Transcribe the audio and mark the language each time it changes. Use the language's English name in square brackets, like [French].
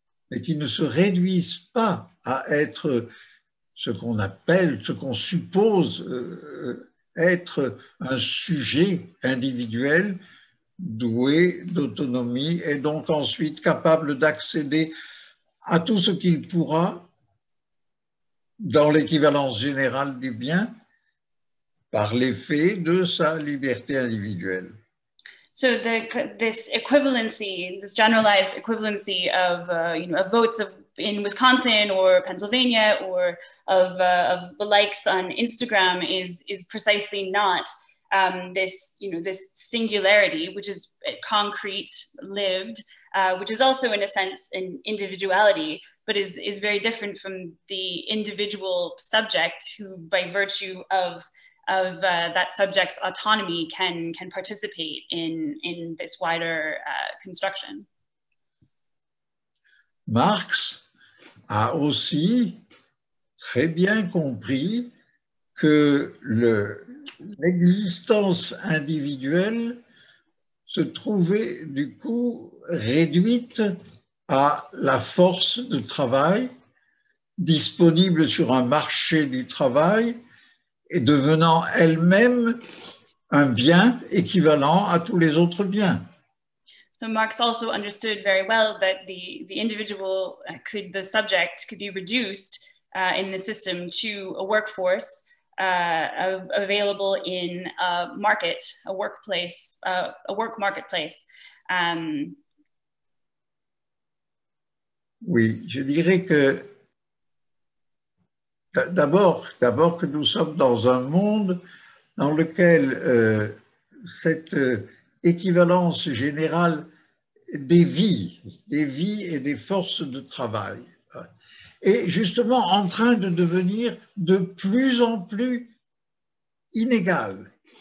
[French] mais qui ne se réduisent pas à être ce qu'on appelle, ce qu'on suppose être un sujet individuel doué d'autonomie et donc ensuite capable d'accéder à tout ce qu'il pourra dans l'équivalence générale du bien par l'effet de sa liberté individuelle. [English] So this equivalency, this generalized equivalency of you know, of votes of in Wisconsin or Pennsylvania or of the likes on Instagram is precisely not this, you know, this singularity, which is concrete, lived, which is also in a sense an individuality, but is very different from the individual subject who, by virtue of that subject's autonomy, can participate in this wider construction. [French] Marx a aussi très bien compris que l'existence individuelle se trouvait du coup réduite à la force de travail disponible sur un marché du travail et devenant elle-même un bien équivalent à tous les autres biens. [English] So Marx also understood very well that the individual could, the subject could be reduced in the system to a workforce available in a market, a workplace, a work marketplace. [French] Oui, je dirais que d'abord que nous sommes dans un monde dans lequel cette équivalence générale des vies et des forces de travail est justement en train de devenir de plus en plus inégale.